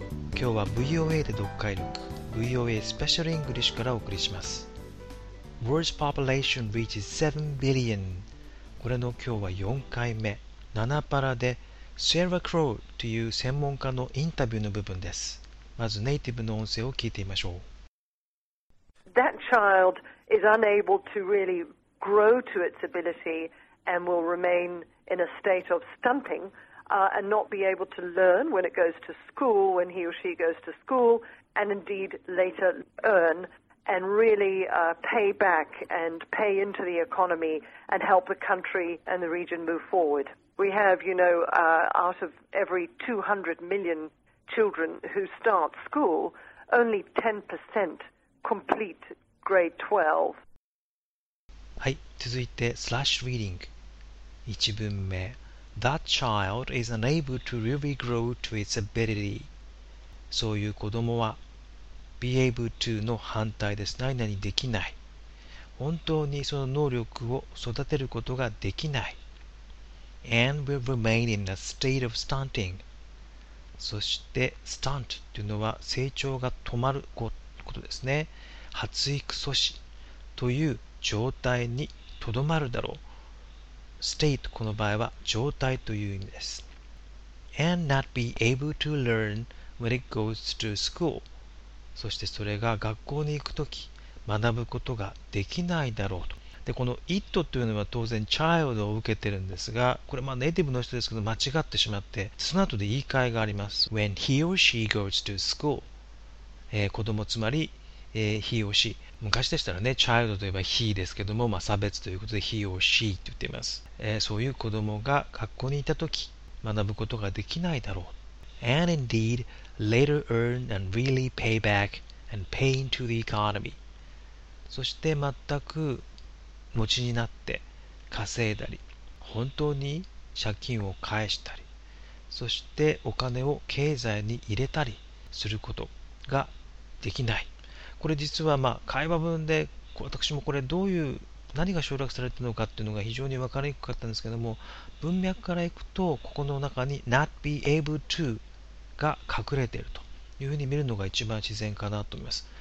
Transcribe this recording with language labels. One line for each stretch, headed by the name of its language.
Japanese: 今日は VOA で読解力 VOA Special English からお送りします。
English: Words population reaches 7 billion。
Japanese: これの今日は4回目、7パラで Sarah Crowe という専門家のインタビューの部分です。まずネイティブの音声を聞いてみましょう。
English: That child is unable to really grow to its ability and will remain in a state of stunting、and not be able to learn when it goes to school, when he or she goes to school, and indeed later earn and really、pay back and pay into the economy and help the country and the region move forward. We have, you know,、out of every 200 million children who start school, only 10% complete grade 12.
Japanese: はい、続いてスラッシュリーディング1文目。
English: That child is unable to really grow to its ability。
Japanese: そういう子供は be able to の反対です。何々できない、本当にその能力を育てることができない。
English: and will remain in a state of stunting。
Japanese: そして stunt というのは成長が止まることですね。発育阻止という状態にとどまるだろう。 state この場合は状態という意味です。
English: and not be able to learn when it goes to school。
Japanese: そしてそれが学校に行くとき学ぶことができないだろうと。でこの it というのは当然 child を受けてるんですが、これまあネイティブの人ですけど間違ってしまって、その後で言い換えがあります。
English: when he or she goes to school、
Japanese: 子供つまり he or she、 昔でしたらね、child といえば he ですけども、まあ、差別ということで he or she と言っています、そういう子供が学校にいたとき学ぶことができないだろう。
English: and indeed later earn and really pay back and pay into the economy。
Japanese: そして全く持ちになって稼いだり、本当に借金を返したり、そしてお金を経済に入れたりすることができない。これ実はまあ会話文で私もこれどういう何が省略されているのかっていうのが非常に分かりにくかったんですけども、文脈からいくとここの中に
English: not be able to
Japanese: が隠れているというふうに見るのが一番自然かなと思います。